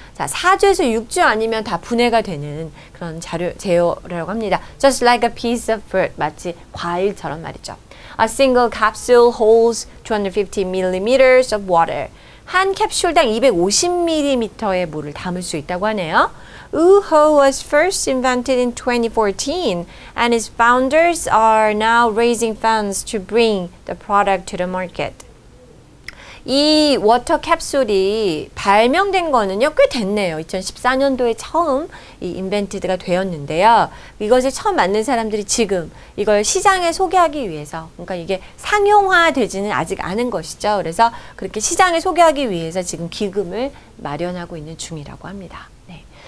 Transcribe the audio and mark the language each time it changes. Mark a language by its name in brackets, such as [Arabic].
[Korean] 자, 4주에서 6주 아니면 다 분해가 되는 그런 재료라고 합니다. [English] Just like a piece of fruit, [Korean] 마치 과일처럼 말이죠. [English] A single capsule holds 250 mm of water. [Korean] 한 캡슐당 250mm의 물을 담을 수 있다고 하네요. [English] UHO was first invented in 2014 and its founders are now raising funds to bring the product to the market. [Korean] 이 워터 캡슐이 발명된 거는요, 꽤 됐네요. 2014년도에 처음 이 인벤티드가 되었는데요. 이것을 처음 만든 사람들이 지금 이걸 시장에 소개하기 위해서, 그러니까 이게 상용화 되지는 아직 않은 것이죠. 그래서 그렇게 시장에 소개하기 위해서 지금 기금을 마련하고 있는 중이라고 합니다. 네.